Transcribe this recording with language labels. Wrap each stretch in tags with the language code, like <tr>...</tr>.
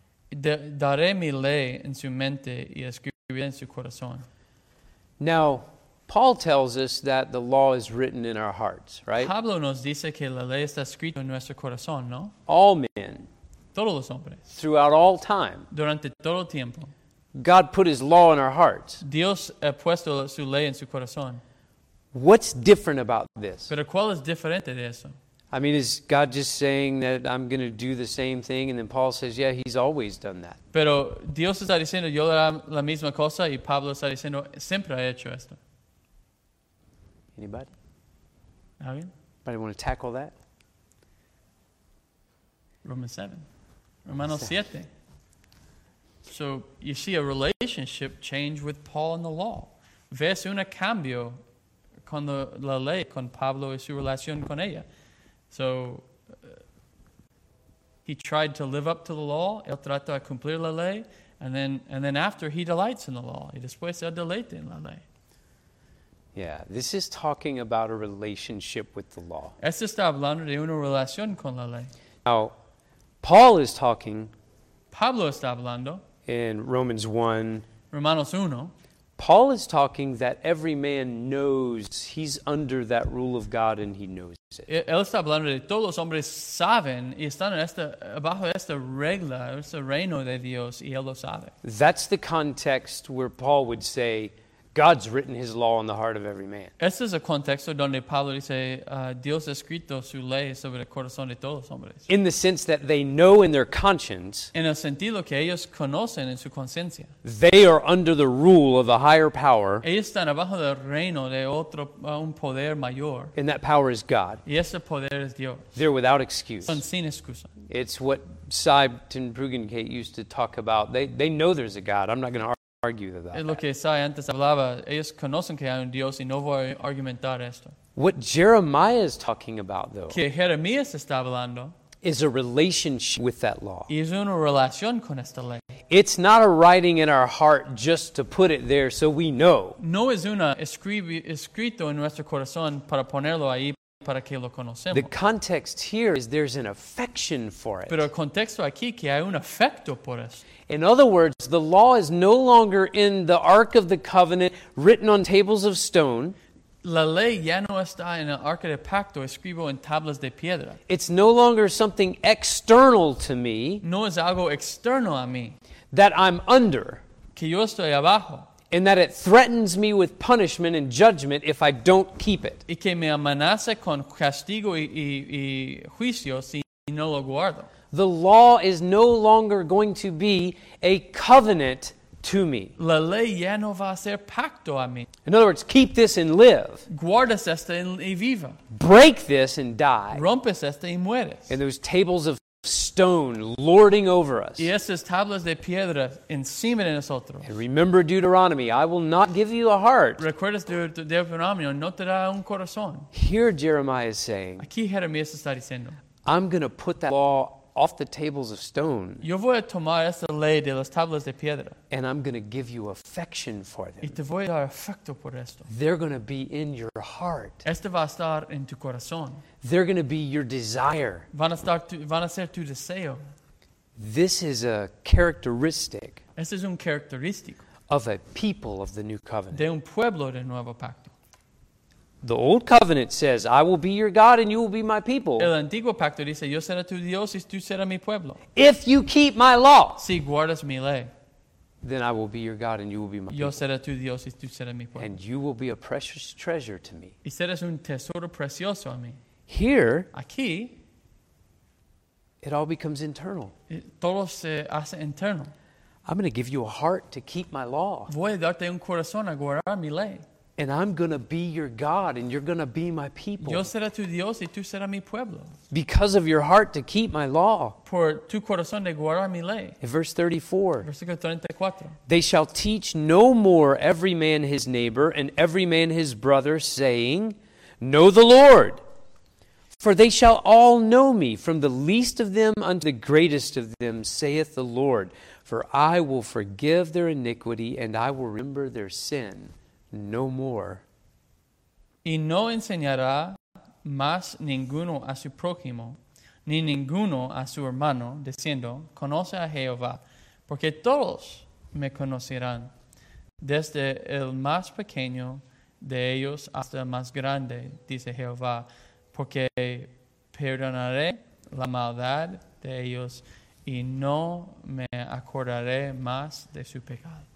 <es>Daré mi ley en su mente y escribiré en su corazón.</es> <en>Now, Paul tells us that the law is written in our hearts, right?</en> <es>Pablo nos dice que la ley está escrita en nuestro corazón, ¿no?</es> <en>All men.</en> <es>Todos los hombres.</es> <en>Throughout all time.</en> <es>Durante todo tiempo.</es> <en>God put his law in our hearts.</en> <es>Dios ha puesto su ley en su corazón.</es> <en>What's different about this?</en> <es>Pero ¿cuál es diferente de eso?</es> <en>I mean, is God just saying that I'm going to do the same thing? And then Paul says, yeah, he's always done that.</en> <es>Pero Dios está diciendo, yo haré la misma cosa, y Pablo está diciendo, siempre ha hecho esto.</es> <en>Anybody?</en> <es>Alguien?</es> <en>Anybody want to tackle that? Romans 7.</en> <es>Romanos 7.</es> <en>So you see a relationship change with Paul and the law.</en> <es>Ves un cambio con la ley, con Pablo y su relación con ella.</es> <en>So, he tried to live up to the law,</en> <es>él trató de cumplir la ley,</es> <en>and then after, he delights in the law,</en> <es>y después él deleita en la ley.</es> <en>Yeah, this is talking about a relationship with the law.</en> <es>Esto está hablando de una relación con la ley.</es> <en>Now, Paul is talking.</en> <es>Pablo está hablando.</es> <en>In Romans 1.</en> <es>Romanos 1.</es> <en>Paul is talking that every man knows he's under that rule of God and he knows it.</en> <es>Él está hablando de todos los hombres saben y están en esta, bajo esta regla, este reino de Dios, y él lo sabe.</es> <en>That's the context where Paul would say, God's written his law in the heart of every man.</en> <es>Este es el contexto donde Pablo dice, Dios ha escrito su ley sobre el corazón de todos los hombres.</es> <en>In the sense that they know in their conscience.</en> <es>En el sentido que ellos conocen en su conciencia.</es> <en>They are under the rule of a higher power.</en> <es>Ellos están abajo del reino de otro, un poder mayor.</es> <en>And that power is God.</en> <es>Y ese poder es Dios.</es> <en>They're without excuse.</en> <es>Son sin excusa.</es> <en>It's what Cy Tinbrugenkate used to talk about. They know there's a God. I'm not going to argue that.</en> <es>Es lo que Isaías antes hablaba. Ellos conocen que hay un Dios y no voy a argumentar esto.</es> <en>What Jeremiah is talking about, though,</en> <es>que Jeremías está hablando,</es> <en>is a relationship with that law.</en> <es>Y es una relación con esta ley.</es> <en>It's not a writing in our heart just to put it there so we know.</en> <es>No es una escrito en nuestro corazón para ponerlo ahí. Para que lo conocemos.</es> <en>The context here is there's an affection for it.</en> <es>Pero el contexto aquí que hay un afecto por eso.</es> <en>In other words, the law is no longer in the Ark of the Covenant written on tables of stone.</en> <es>La ley ya no está en el Arca del Pacto escrito en tablas de piedra.</es> <en>It's no longer something external to me.</en> <es>No es algo externo a mí.</es> <en>That I'm under.</en> <es>Que yo estoy abajo.</es> <en>And that it threatens me with punishment and judgment if I don't keep it.</en> <es>Y que me amenaza con castigo y juicio si no lo guardo.</es> <en>The law is no longer going to be a covenant to me.</en> <es>La ley ya no va a ser pacto a mí.</es> <en>In other words, keep this and live.</en> <es>Guardas esta y viva.</es> <en>Break this and die.</en> <es>Rompes esta y mueres.</es> <en>And those tables of stone lording over us.</en> <es>Y esas tablas de piedra encima de nosotros.</es> <en>And remember Deuteronomy, I will not give you a heart.</en> <es>Recuerdas Deuteronomy, no te da un corazón.</es> <en>Here Jeremiah is saying,</en> <es>aquí Jeremías está diciendo,</es> <en>I'm going to put that law off the tables of stone.</en> <es>Yo voy a tomar esa ley de las tablas de piedra.</es> <en>And I'm going to give you affection for them.</en> <es>Y te voy a dar afecto por esto.</es> <en>They're going to be in your heart.</en> <es>Esto va a estar en tu corazón.</es> <en>They're going to be your desire.</en> <es>Van a ser tu deseo.</es> <en>This is a characteristic.</en> <es>Este es un característico.</es> <en>Of a people of the new covenant.</en> <es>De un pueblo del nuevo pacto.</es> <en>The old covenant says, I will be your God and you will be my people.</en> <es>El antiguo pacto dice, yo seré tu Dios y tú serás mi pueblo.</es> <en>If you keep my law.</en> <es>Si guardas mi ley.</es> <en>Then I will be your God and you will be my</en> <es>yo</es> <en>people.</en> <es>Seré tu Dios y tú serás mi pueblo.</es> <en>And you will be a precious treasure to me.</en> <es>Y serás un tesoro precioso a mí.</es> <en>Here,</en> <es>aquí,</es> <en>it all becomes internal.</en> <es>Todo se hace interno.</es> <en>I'm going to give you a heart to keep my law.</en> <es>Voy a darte un corazón a guardar mi ley.</es> <en>And I'm going to be your God and you're going to be my people.</en> <es>Yo seré tu Dios y tú serás mi pueblo.</es> <en>Because of your heart to keep my law.</en> <es>Por tu corazón de guardar mi ley.</es> <en>In verse 34.</en> <es>Versículo 34.</es> <en>They shall teach no more every man his neighbor and every man his brother, saying, Know the Lord. For they shall all know me, from the least of them unto the greatest of them, saith the Lord. For I will forgive their iniquity and I will remember their sin. No more.</en> <es>Y no enseñará más ninguno a su prójimo, ni ninguno a su hermano, diciendo, Conoce a Jehová, porque todos me conocerán, desde el más pequeño de ellos hasta el más grande, dice Jehová, porque perdonaré la maldad de ellos y no me acordaré más de su pecado.</es>